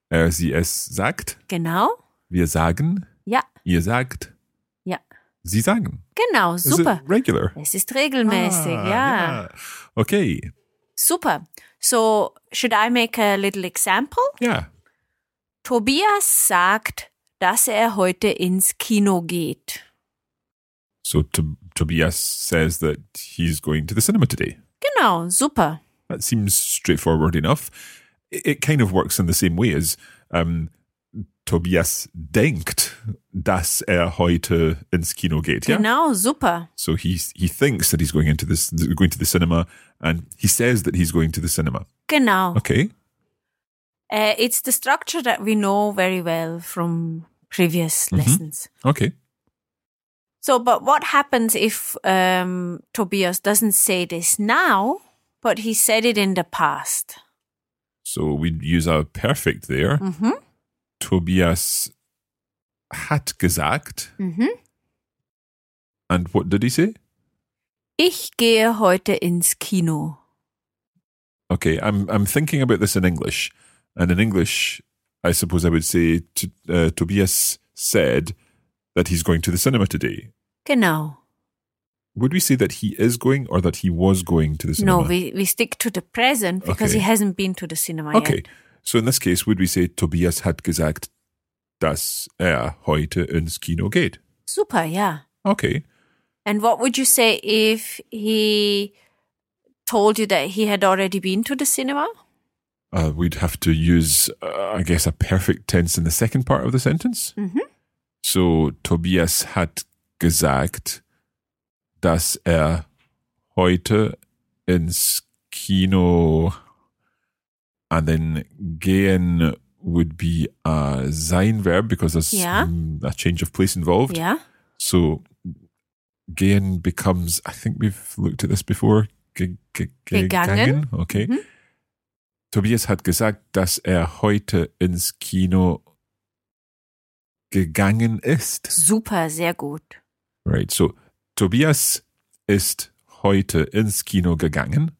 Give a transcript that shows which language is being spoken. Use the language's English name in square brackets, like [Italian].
[German] Sie es sagt. Genau. Wir sagen. Ja. Ihr sagt. Ja. Sie sagen. Genau, super. [English] Is it regular? [German] Es ist regelmäßig, ja. [English] Yeah. Okay. [German] Super. [English] So, should I make a little example? [German] Ja. Tobias sagt, dass er heute ins Kino geht. [English] So Tobias says that he's going to the cinema today. [German] Genau, super. [English] That seems straightforward enough. It kind of works in the same way as [German] Tobias denkt, dass heute ins Kino geht. [English] Yeah? [German] Genau, super. [English] So he thinks that he's going to the cinema, and he says that he's going to the cinema. [German] Genau. [English] Okay. It's the structure that we know very well from previous lessons. Okay. So, but what happens if Tobias doesn't say this now, but he said it in the past? So we'd use a perfect there. Mm-hmm. [German] Tobias hat gesagt. Mm-hmm. [English] And what did he say? [German] Ich gehe heute ins Kino. [English] Okay, I'm thinking about this in English. And in English, I suppose I would say Tobias said that he's going to the cinema today. [German] Genau. [English] Would we say that he is going or that he was going to the cinema? No, we stick to the present because he hasn't been to the cinema yet. Okay, so in this case, would we say [German] Tobias hat gesagt, dass heute ins Kino geht? [English] Super, yeah. Okay. And what would you say if he told you that he had already been to the cinema? We'd have to use, I guess, a perfect tense in the second part of the sentence. Mm-hmm. So, [German] Tobias hat gesagt, dass heute ins Kino, [English] and then gehen would be a sein Verb, because there's a change of place involved. Yeah. So, gehen becomes, I think we've looked at this before, [German] gegangen. [English] Okay. Mm-hmm. [German] Tobias hat gesagt, dass heute ins Kino gegangen ist. Super, sehr gut. [English] Right, so [German] Tobias ist heute ins Kino gegangen.